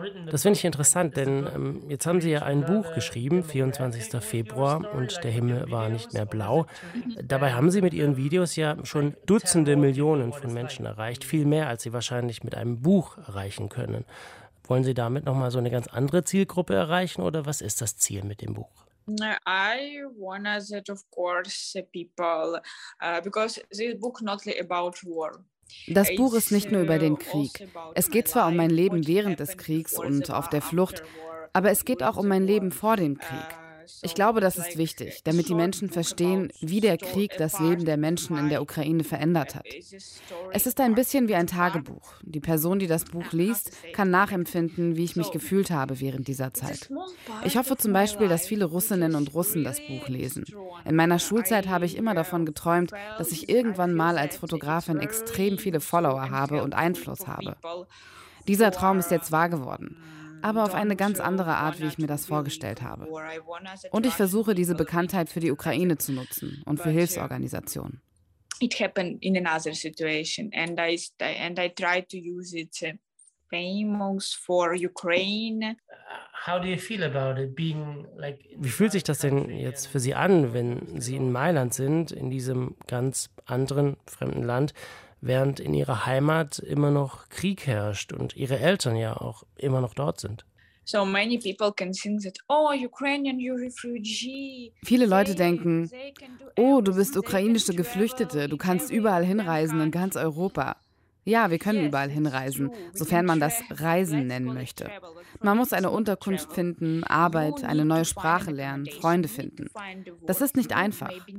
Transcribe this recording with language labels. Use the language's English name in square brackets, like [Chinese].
[German] Das finde ich interessant, denn jetzt haben Sie ja ein Buch geschrieben, 24. Februar, und der Himmel war nicht mehr blau. Dabei haben Sie mit Ihren Videos ja schon Dutzende Millionen von Menschen erreicht, viel mehr, als Sie wahrscheinlich mit einem Buch erreichen können. Wollen Sie damit nochmal so eine ganz andere Zielgruppe erreichen, oder was ist das Ziel mit dem Buch? [English] I want to say, of course, people, because this book is not only about war. [German] Das Buch ist nicht nur über den Krieg. Es geht zwar um mein Leben während des Kriegs und auf der Flucht, aber es geht auch um mein Leben vor dem Krieg. Ich glaube, das ist wichtig, damit die Menschen verstehen, wie der Krieg das Leben der Menschen in der Ukraine verändert hat. Es ist ein bisschen wie ein Tagebuch. Die Person, die das Buch liest, kann nachempfinden, wie ich mich gefühlt habe während dieser Zeit. Ich hoffe zum Beispiel, dass viele Russinnen und Russen das Buch lesen. In meiner Schulzeit habe ich immer davon geträumt, dass ich irgendwann mal als Fotografin extrem viele Follower habe und Einfluss habe. Dieser Traum ist jetzt wahr geworden. Aber auf eine ganz andere Art, wie ich mir das vorgestellt habe. Und ich versuche, diese Bekanntheit für die Ukraine zu nutzen und für Hilfsorganisationen. [English] It happened in another situation, and I tried to use it famous for Ukraine. How do you feel about it being like? [German] Wie fühlt sich das denn jetzt für Sie an, wenn Sie in Mailand sind, in diesem ganz anderen fremden Land? Während in ihrer Heimat immer noch Krieg herrscht und ihre Eltern ja auch immer noch dort sind. [English] So many people can think that, oh, Ukrainian, you refugee. [German] Viele Leute denken, oh, du bist ukrainische Geflüchtete, du kannst überall hinreisen in ganz Europa. Ja, wir können überall hinreisen, sofern man das Reisen nennen möchte. Man muss eine Unterkunft finden, Arbeit, eine neue Sprache lernen, Freunde finden. Das ist nicht einfach.